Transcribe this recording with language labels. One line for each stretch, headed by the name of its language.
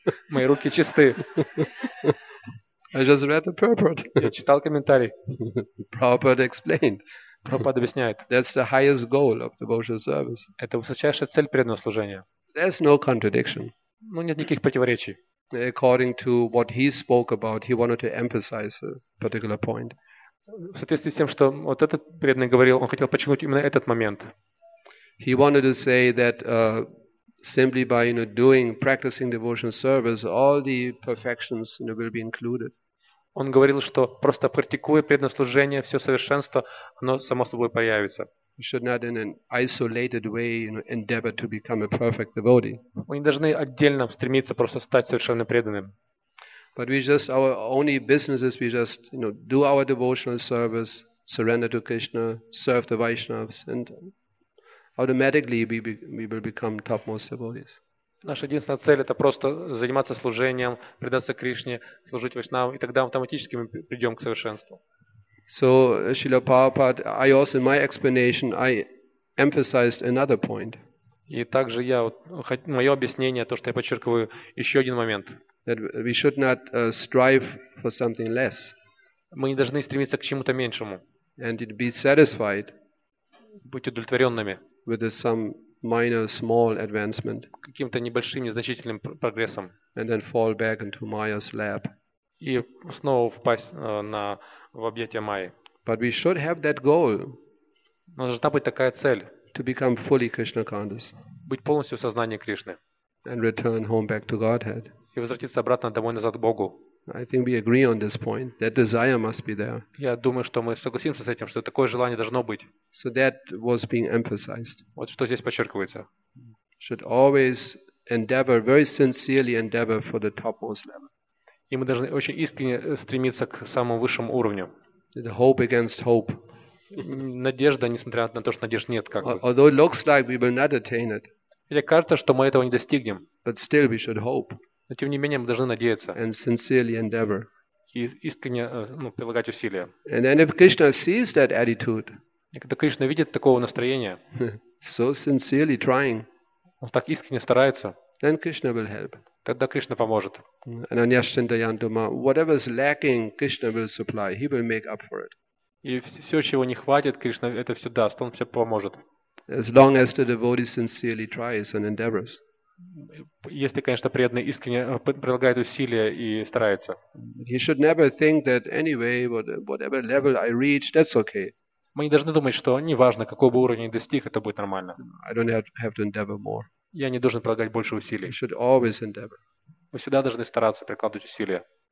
Russian: Мои руки чисты.
English: I just read the purport.
Russian: Я читал комментарий.
English: Prabhupada explained.
Russian: Прабхупада объясняет.
English: That's the highest goal of devotional service.
Russian: Это высочайшая цель преданного служения.
English: There's no contradiction.
Russian: Ну, нет никаких противоречий.
English: According to what he spoke about, he wanted to emphasize a particular point.
Russian: В соответствии с тем, что вот этот преданный говорил, он хотел подчеркнуть именно этот момент.
English: He wanted to say that simply by, you know, doing, practicing devotional service, all the perfections, you know, will be included.
Russian: Он говорил, что просто практикуя преданное служение, все совершенство, оно само собой появится.
English: We should not in an isolated way, you know, endeavor to become a perfect devotee.
Russian: Мы не должны отдельно стремиться просто стать совершенно преданным.
English: But we just, our only business is we just, you know, do our devotional service, surrender to Krishna, serve the Vaishnavas, and automatically we will become topmost devotees.
Russian: Наша единственная цель – это просто заниматься служением, предаться Кришне, служить Вайшнавам, и тогда автоматически мы придем к совершенству.
English: So, Srila Prabhupada, I also, in my explanation, I emphasized another point.
Russian: И также я, вот, мое объяснение, то, что я подчеркиваю, еще один момент.
English: That we should not strive for something less.
Russian: Мы не должны стремиться к чему-то меньшему.
English: And be satisfied.
Russian: Быть удовлетворенными.
English: With some minor, small advancement.
Russian: Каким-то небольшим, незначительным прогрессом.
English: And then fall back into Maya's lap.
Russian: И снова впасть в объятия Майи.
English: But we should have that goal.
Russian: Но должна быть такая цель.
English: To become fully Krishna conscious.
Russian: Быть полностью в сознании Кришны.
English: And return home back to Godhead.
Russian: И возвратиться обратно домой назад к Богу.
English: I think we agree on this point. That desire must be there.
Russian: Я думаю, что мы согласимся с этим, что такое желание должно быть.
English: So that was being emphasized.
Russian: Вот что здесь подчеркивается.
English: Should always endeavor, very sincerely endeavor for the topmost level.
Russian: И мы должны очень искренне стремиться к самому высшему уровню.
English: The hope against hope.
Russian: Надежда, несмотря на то, что надежды нет, как бы.
English: Although it looks like we will not attain it.
Russian: Или кажется, что мы этого не достигнем.
English: But still we should hope.
Russian: Но тем не менее мы должны надеяться.
English: And sincerely endeavor.
Russian: И искренне, ну, прилагать усилия.
English: And then if Krishna sees that attitude.
Russian: И когда Кришна видит такого настроения.
English: So sincerely trying.
Russian: Он так искренне старается.
English: Then Krishna will help.
Russian: Тогда Кришна поможет.
English: And Anyashchandayantuma, whatever is lacking, Krishna will supply. He will make up for it.
Russian: И все, чего не хватит, Кришна это все даст, он все поможет.
English: As long as the devotee sincerely tries and endeavors.
Russian: Если, конечно, преданный искренне прилагает усилия и старается.
English: He should never think that anyway, whatever level I reach, that's okay.
Russian: Мы не должны думать, что неважно, какой бы уровень я достиг, это будет нормально.
English: I don't have to endeavor more.
Russian: Я не должен прилагать больше усилий.
English: We should always endeavor.
Russian: Мы всегда должны стараться прикладывать усилия.